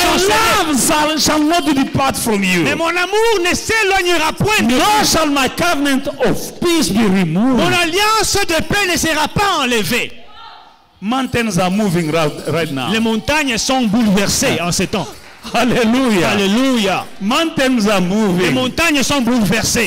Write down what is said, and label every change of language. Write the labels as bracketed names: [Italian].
[English] my love shall not depart from you. [French] Mais mon amour ne s'éloignera point. [English] Nor shall my covenant of peace be removed. [French] Mon alliance de paix ne sera pas enlevée. [English] Mountains are moving right now. [French] Les montagnes sont bouleversées en ce temps. [English] Hallelujah. Hallelujah. Mountains are moving. [French] Les montagnes sont bouleversées.